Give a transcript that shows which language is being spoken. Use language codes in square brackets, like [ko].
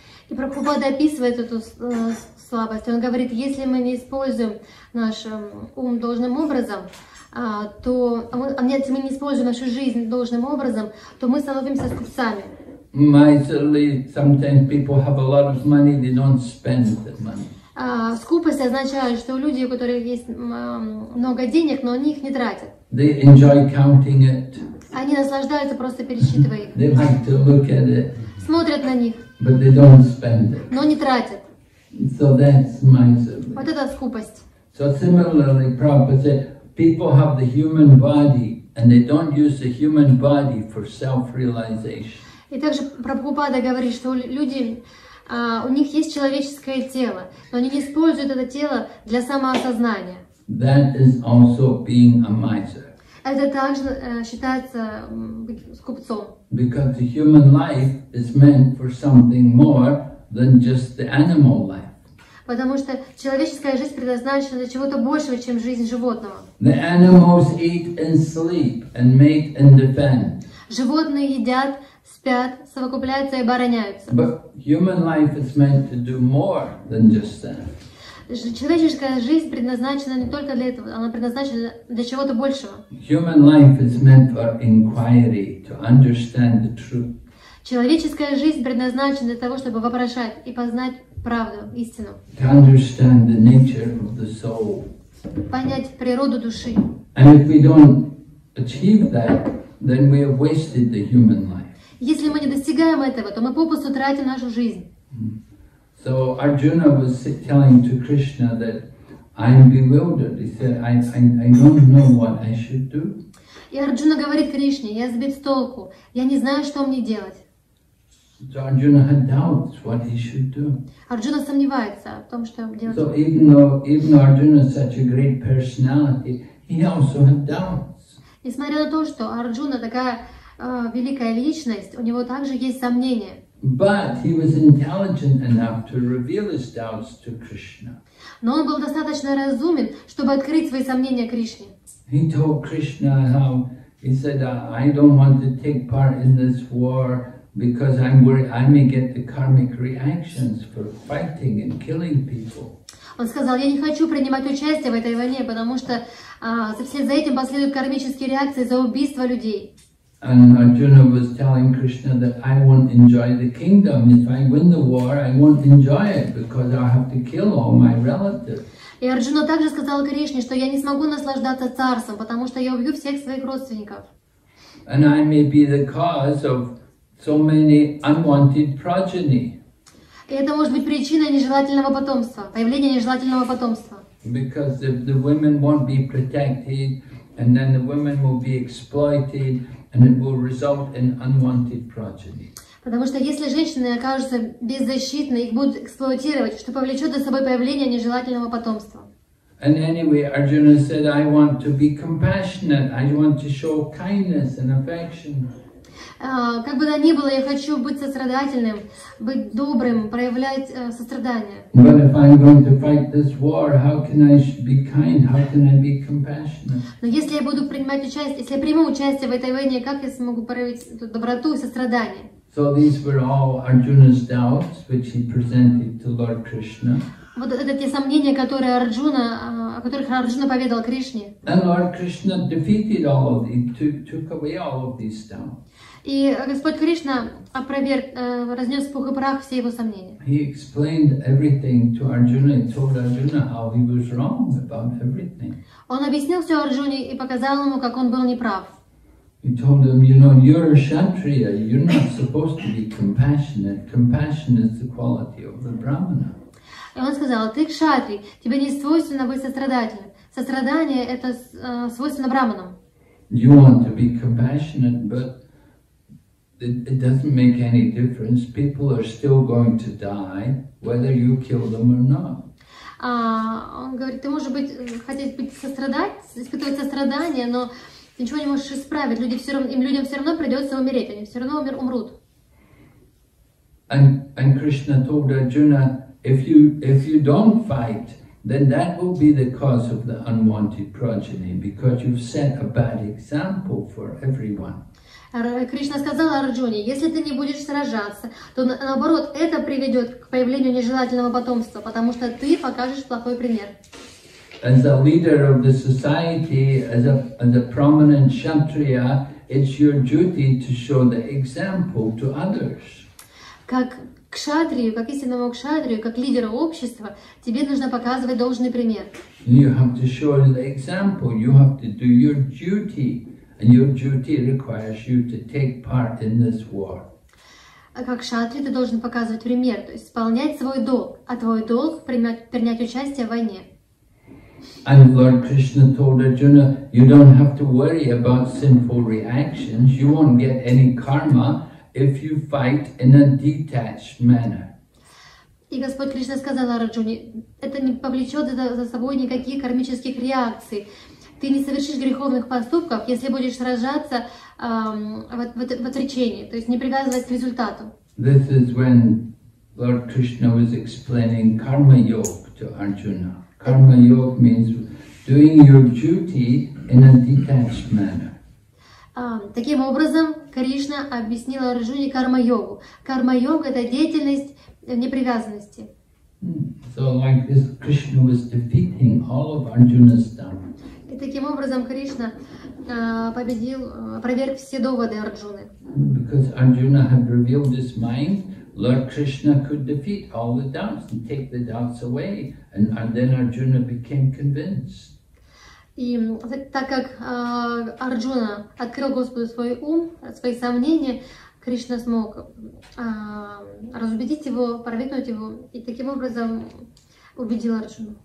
[ru] И Прабхупада описывает эту слабость. Он говорит, если мы не используем наш ум должным образом, если мы не используем нашу жизнь должным образом, то мы становимся скупцами. [en] Miserly, sometimes people have a lot of money, they don't spend that money. [ru] Скупость означает, что у людей, у которых есть много денег, но они их не тратят. [en] They enjoy counting it. [ru] Они наслаждаются, просто пересчитывая их. [en] They like to look at it. [ru] Смотрят на них. [en] But they don't spend it. [ru] Но не тратят. [en] So that's miserly. [ru] Вот это скупость. [en] So similarly, Prabhupada said, people have the human body, and they don't use the human body for self-realization. [ru] И также Прабхупада говорит, что люди, у них есть человеческое тело, но они не используют это тело для самоосознания. [en] That is also being a miser. [ru] Это также считается скупцом. [en] Because the human life is meant for something more than just the animal life. [ru] Потому что человеческая жизнь предназначена для чего-то большего, чем жизнь животного. [en] The animals eat and sleep and mate and defend. [ru] Животные едят, спят, совокупляются и обороняются. [en] But human life is meant to do more than just that. [ru] Человеческая жизнь предназначена не только для этого, она предназначена для чего-то большего. [en] Human life is meant for inquiry, to understand the truth. [ru] Человеческая жизнь предназначена для того, чтобы вопрошать и познать правду, истину. [en] To understand the nature of the soul. [ru] Понять природу души. [en] And if we don't achieve that, then we have wasted the human life. [ru] Если мы не достигаем этого, то мы попусту тратим нашу жизнь. [en] So Arjuna was telling to Krishna that I'm bewildered. He said, I don't know what I should do. [ru] И Арджуна говорит Кришне, я сбит с толку, я не знаю, что мне делать. [en] So Arjuna had doubts what he should do. [ru] Арджуна сомневается в том, что делать. [en] So even though Arjuna is such a great personality, he also had doubts. [ru] Несмотря на то, что Арджуна такая великая личность, у него также есть сомнения. [en] But he was intelligent enough to reveal his doubts to Krishna. [ru] Но он был достаточно разумен, чтобы открыть свои сомнения Кришне. [en] He told Krishna how he said, "I don't want to take part in this war because I'm worried I may get the karmic reactions for fighting and killing people." [ru] Он сказал, я не хочу принимать участие в этой войне, потому что за этим последуют кармические реакции за убийство людей. [en] And Arjuna was telling Krishna that I won't enjoy the kingdom. If I win the war, I won't enjoy it because I have to kill all my relatives. [ru] И Арджуна также сказал Кришне, что я не смогу наслаждаться царством, потому что я убью всех своих родственников. [en] And I may be the cause of so many unwanted progeny. [ru] И это может быть причиной нежелательного потомства, появления нежелательного потомства. [en] Because if the women won't be protected, and then the women will be exploited, and it will result in unwanted progeny. [ru] Потому что если женщины окажутся беззащитны, их будут эксплуатировать, что повлечет за собой появление нежелательного потомства. [en] And anyway, Arjuna said, I want to be compassionate. I want to show kindness and affection. [ru] Как бы то ни было, я хочу быть сострадательным, быть добрым, проявлять сострадание. [en] But if I'm going to fight this war, how can I be kind? How can I be compassionate? [ru] Но если я буду принимать участие, если я приму участие в этой войне, как я смогу проявить доброту и сострадание? [en] So these were all Arjuna's doubts, which he presented to Lord Krishna. [ru] Вот это те сомнения, которые Арджуна, о которых Арджуна поведал Кришне. [en] And Lord Krishna defeated all of them, took away all of these doubts. [ru] И Господь Кришна разнес в пух и прах все его сомнения. [en] He explained everything to Arjuna and told Arjuna how he was wrong about everything. [ru] Он объяснил все Арджуне и показал ему, как он был неправ. [en] He told him, you know, you're a Kshatriya, you're not supposed to be compassionate. Compassion is the quality of the Brahmana. [ru] И он сказал, ты кшатри, тебе не свойственно быть сострадательным. Сострадание это свойственно Брахманам. [en] You want to be compassionate, but it doesn't make any difference. People are still going to die, whether you kill them or not. [ru] Он говорит, ты можешь быть, хотеть быть сострадать, испытывать сострадание, но ты ничего не можешь исправить. Людям все равно придется умереть, они все равно умрут. [en] And Krishna told Arjuna, if you don't fight, then that will be the cause of the unwanted progeny, because you've set a bad example for everyone. [ru] Кришна сказал Арджуне, если ты не будешь сражаться, то наоборот, это приведет к появлению нежелательного потомства, потому что ты покажешь плохой пример. [en] As a leader of the society, as a prominent kshatriya, it's your duty to show the example to others. [ru] Как кшатрию, как истинному кшатрию, как лидеру общества, тебе нужно показывать должный пример. [en] You have to show the example, you have to do your duty. And your duty requires you to take part in this war. [ru] Как кшатри, ты должен показывать пример, то есть исполнять свой долг, а твой долг принять участие в войне. [en] And Lord Krishna told Arjuna, you don't have to worry about sinful reactions. You won't get any karma if you fight in a detached manner. [ru] И Господь Кришна сказал Арджуне, это не повлечет за собой никаких кармических реакций. Ты не совершишь греховных поступков, если будешь сражаться в отречении, то есть не привязываясь к результату. [en] This is when Lord Krishna was explaining karma yoga to Arjuna. Karma yoga means doing your duty in a detached manner. [ru] Таким образом, Кришна объяснила Арджуне карма-йогу. Карма-йога — это деятельность в непривязанности. [en] So like this, Krishna was defeating all of Arjuna's doubts. [ru] И таким образом Кришна победил, опроверг все доводы Арджуны. [en] Because Arjuna had revealed his mind, Lord Krishna could defeat all the doubts and take the doubts away, and then Arjuna became convinced. [ru] И так как Арджуна открыл Господу свой ум, свои сомнения, Кришна смог разубедить его, проникнуть его, и таким образом убедил Арджуну.